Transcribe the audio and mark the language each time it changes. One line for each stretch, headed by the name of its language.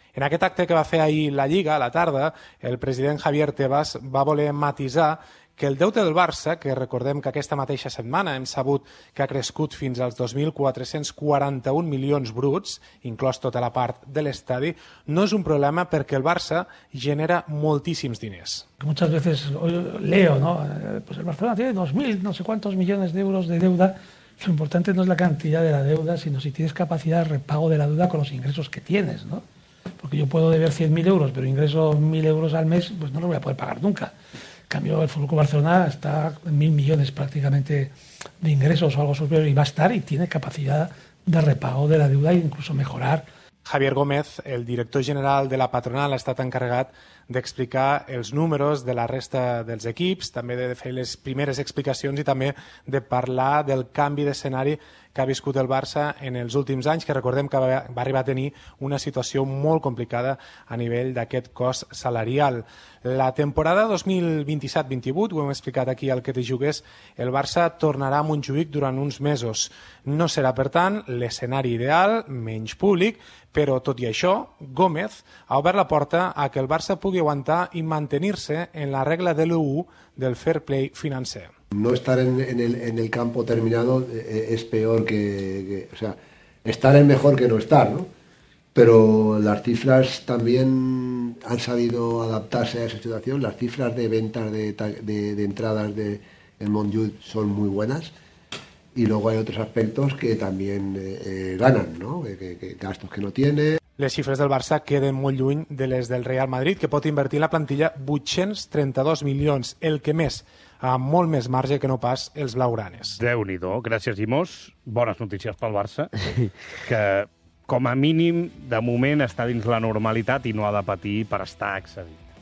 Catalan: En aquest acte que va fer ahir la Lliga, a la tarda, el president Javier Tebas va voler matisar que el deute del Barça, que recordem que aquesta mateixa setmana hem sabut que ha crescut fins als 2.441 milions bruts, inclòs tota la part de l'estadi, no és un problema perquè el Barça genera moltíssims diners.
Spanish: Muchas veces leo, ¿no? Pues el Barcelona tiene 2.000 no sé cuántos millones de euros de deuda. Lo importante no es la cantidad de la deuda, sino si tienes capacidad de repago de la deuda con los ingresos que tienes, ¿no? Porque yo puedo deber 100.000 euros, pero ingreso 1.000 euros al mes, pues no lo voy a poder pagar nunca. En cambio, el FC Barcelona está en 1.000 millones prácticamente de ingresos o algo superior y va a estar y tiene capacidad de repago de la deuda e incluso mejorar.
Catalan: Javier Gómez, el director general de la patronal, ha estat encarregat d'explicar els números de la resta dels equips, també de fer les primeres explicacions i també de parlar del canvi d'escenari que ha viscut el Barça en els últims anys, que recordem que va arribar a tenir una situació molt complicada a nivell d'aquest cost salarial. La temporada 2027-28, ho hem explicat aquí al Que t'hi jugués, el Barça tornarà a Montjuïc durant uns mesos. No serà, per tant, l'escenari ideal, menys públic, però, tot i això, Gómez ha obert la porta a que el Barça pugui aguantar i mantenir-se en la regla de l'EU del fair play financer.
Spanish: No estar en el campo terminado es peor que... O sea, estar es mejor que no estar, ¿no? Pero las cifras también han sabido adaptarse a esa situación. Las cifras de ventas de entradas de en Montjuïc son muy buenas. Y luego hay otros aspectos que también ganan, ¿no? Que gastos que no tiene.
Catalan: Les xifres del Barça queden molt lluny de les del Real Madrid, que pot invertir en la plantilla 832 milions, el que més, amb molt més marge que no pas els blaugranes. Déu-n'hi-do, gràcies, Imos. Bones notícies pel Barça, que com a mínim, de moment, està dins la normalitat i no ha de patir per estar accedit.